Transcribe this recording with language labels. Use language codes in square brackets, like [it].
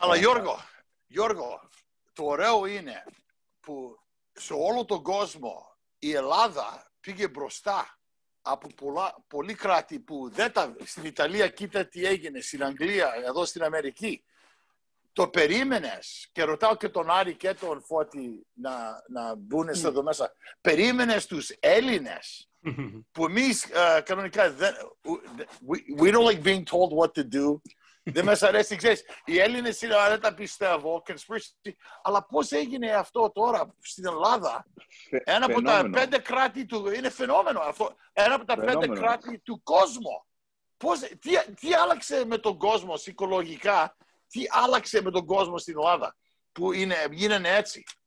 [el] Αλλά Γιώργο, το ωραίο είναι που σε όλο τον κόσμο η Ελλάδα πήγε μπροστά από πολλοί κράτη που δεν τα. Στην Ιταλία, κοίτα τι έγινε, στην Αγγλία, εδώ στην Αμερική. Το περίμενες, και ρωτάω και τον Άρη και τον Φώτη να μπουν εδώ μέσα, περίμενες τους Έλληνες που εμείς κανονικά δεν. [en] We don't like being told what to do. [el] Δεν μας αρέσει, ξέρεις. Οι Έλληνες είναι, δεν τα πιστεύω, conspiracy. Αλλά πώς έγινε αυτό τώρα στην Ελλάδα, ένα από τα πέντε κράτη του. Είναι φαινόμενο αυτό. Ένα από τα πέντε κράτη του κόσμου. Πώς, τι άλλαξε με τον κόσμο ψυχολογικά, τι άλλαξε με τον κόσμο στην Ελλάδα που γίνανε έτσι?